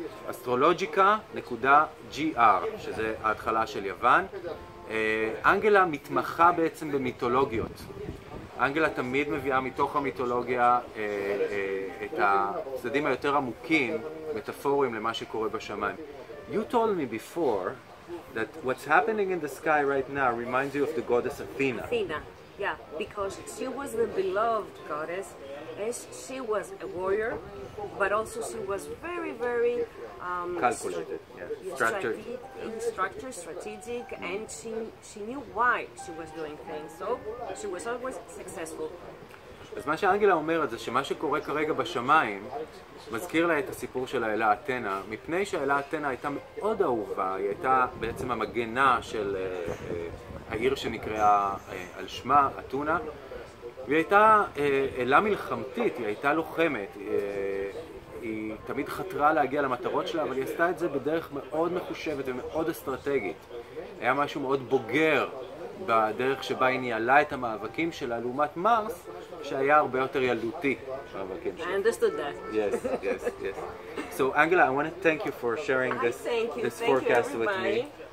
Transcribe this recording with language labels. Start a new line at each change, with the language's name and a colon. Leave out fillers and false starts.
Hebrew: astrologica.gr, שזה ההתחלה של יוון. אנגלה מתמחה בעצם במיתולוגיות. אנגלה תמיד מביאה מתוך המיתולוגיה את הצדדים היותר עמוקים, מטאפורים למה שקורה בשמיים.
English: You told me before that what's happening in the sky right now reminds you of the goddess Athena. Athena, yeah, because she was the beloved goddess, and she was a warrior, but also she was very, very... Calculated, structured, strategic, mm-hmm. and she knew why she was doing things, so she was always successful.
Hebrew: אז מה שאנגלה אומרת זה שמה שקורה כרגע בשמיים מזכיר לה את הסיפור של האלה אתנה, מפני שהאלה אתנה הייתה מאוד אהובה, היא הייתה בעצם המגנה של העיר שנקראה על שמה, אתונה, והיא הייתה אלה מלחמתית, היא הייתה לוחמת, היא תמיד חתרה להגיע למטרות שלה, אבל היא עשתה את זה בדרך מאוד מחושבת ומאוד אסטרטגית, היה משהו מאוד בוגר בדרך שבה היא ניהלה את המאבקים שלה לעומת מרס, שהיה הרבה יותר ילדותי.
English: I understood that. So Angela, I want to thank you for sharing this forecast with me.